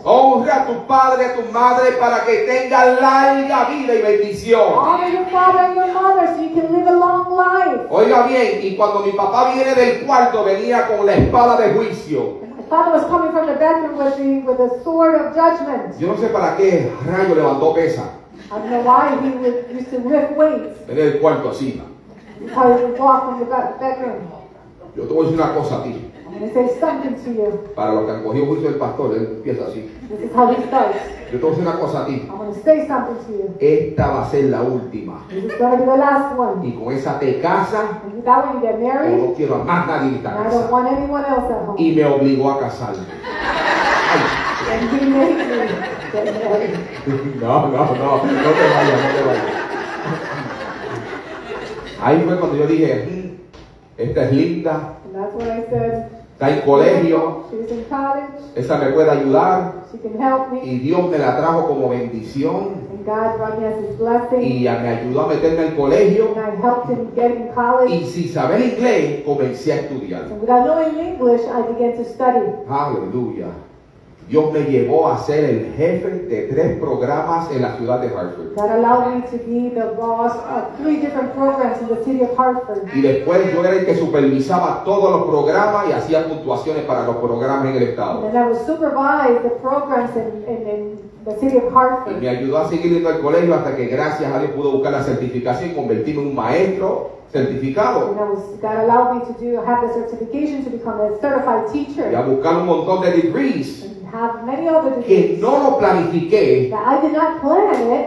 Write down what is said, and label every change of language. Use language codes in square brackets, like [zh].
[es] Honra a tu padre y a tu madre para que tenga larga vida y bendición. [en] Honor your father and your mother so you can live a long life. [es] Oiga bien, y cuando mi papá viene del cuarto, venía con la espada de juicio. [en] My father was coming from the bedroom with the sword of judgment. [es] Yo no sé para qué rayo levantó pesa. [en] I don't know why he used to lift weights. [es] Venía del cuarto así. [en] He would walk from the bedroom. [es] Yo te voy a decir una cosa a ti. [en] I'm going to say something to you. [es] Para lo que han cogido juicio el pastor, él empieza así. [en] This is how he starts. [es] Yo te voy a decir una cosa a ti. [en] I'm going to say something to you. [es] Esta va a ser la última. [en] This is going to be the last one. [es] Y con esa te casa. [en] And with that one you get married. [es] Yo no quiero a más nadie en esta casa. [en] I don't want anyone else at home. [es] Y me obligó a casarme. [en] And he made me get married. [es] No te vayas, no te vayas. Ahí fue cuando yo dije, esta es linda. [en] That's what I said. [es] Está en colegio. [en] She was in college. [es] Esa me puede ayudar. [en] She can help me. [es] Y Dios me la trajo como bendición. [en] And God brought me as his blessing. [es] Y me ayudó a meterme al colegio. [en] And I helped him get in college. [es] Y sin saber inglés, comencé a estudiar. [en] And without knowing English, I began to study. [es] Aleluya. Dios me llevó a ser el jefe de tres programas en la ciudad de Hartford. [en] God allowed me to be the boss of three different programs in the city of Hartford. [es] Y después yo era el que supervisaba todos los programas y hacía puntuaciones para los programas en el estado. [en] And I would supervise the programs in the city of Hartford. [es] Y me ayudó a seguir yendo al colegio hasta que gracias a Dios pude buscar la certificación y convertirme en un maestro certificado. [en] God allowed me to have the certification to become a certified teacher. [es] Y a buscar un montón de degrees. [en] Have many other [es] que no lo planifiqué, [en] that I did not plan it,